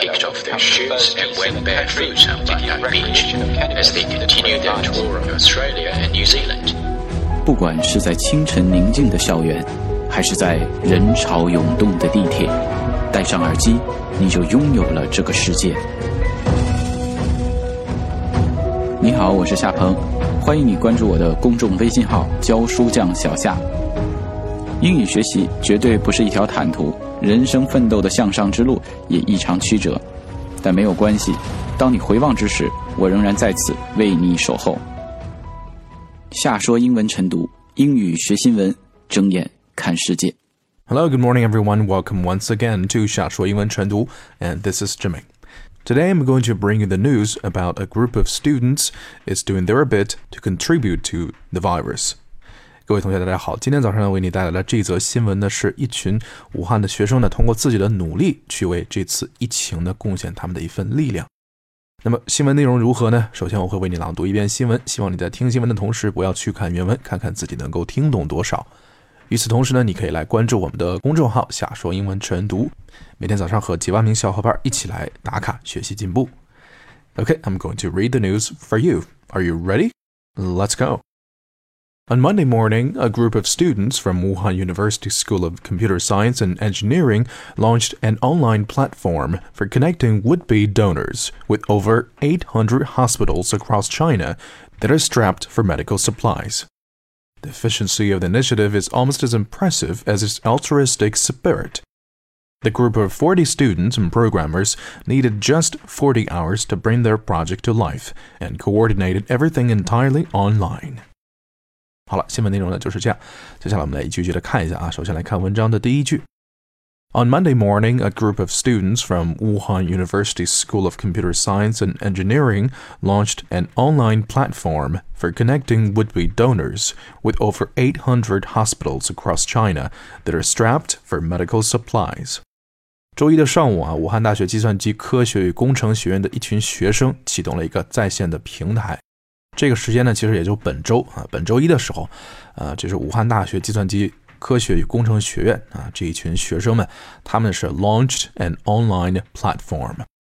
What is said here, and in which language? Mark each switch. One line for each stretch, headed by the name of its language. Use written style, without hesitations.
English: kicked off their shoes and went barefoot on the beach as they continued their tour of Australia and New Zealand.
Chinese: 不管是在清晨宁静的校园，还是在人潮涌动的地铁，戴上耳机，你就拥有了这个世界。你好，我是夏鹏，欢迎你关注我的公众微信号教书匠小夏。英语学习绝对不是一条坦途，人生奋斗的向上之路也异常曲折，但没有关系，当你回望之时，我仍然在此为你守候。夏说英文晨读，英语学新闻，睁眼看世界。
English: Hello, good morning everyone. Welcome once again to 夏说英文晨读 and this is Jimmy. Today I'm going to bring you the news about a group of students is doing their bit to contribute to the virus.
Chinese: 各位同学大家好，今天早上为你带来的这则新闻呢，是一群武汉的学生呢，通过自己的努力去为这次疫情呢贡献他们的一份力量。那么新闻内容如何呢？首先我会为你朗读一遍新闻，希望你在听新闻的同时不要去看原文，看看自己能够听懂多少。与此同时呢，你可以来关注我们的公众号夏说英文晨读，每天早上和几万名小伙伴一起来打卡学习进步。
English: OK, I'm going to read the news for you. Are you ready? Let's go. On Monday morning, a group of students from Wuhan University School of Computer Science and Engineering launched an online platform for connecting would-be donors with over 800 hospitals across China that are strapped for medical supplies. The efficiency of the initiative is almost as impressive as its altruistic spirit. The group of 40 students and programmers needed just 40 hours to bring their project to life and coordinated everything entirely online.
Chinese: 好了，新闻内容呢就是这样。接下来我们来一句一句的看一下啊。首先来看文章的第一句。
English: On Monday morning, a group of students from Wuhan University School of Computer Science and Engineering launched an online platform for connecting would-be donors with over 800 hospitals across China that are strapped for medical supplies.
Chinese: 周一的上午啊，武汉大学计算机科学与工程学院的一群学生启动了一个在线的平台。这个时间呢，其实也就本周啊，本周一的时候，这是武汉大学计算机科学与工程学院啊，这一群学生们，他们是
English: launched an online platform.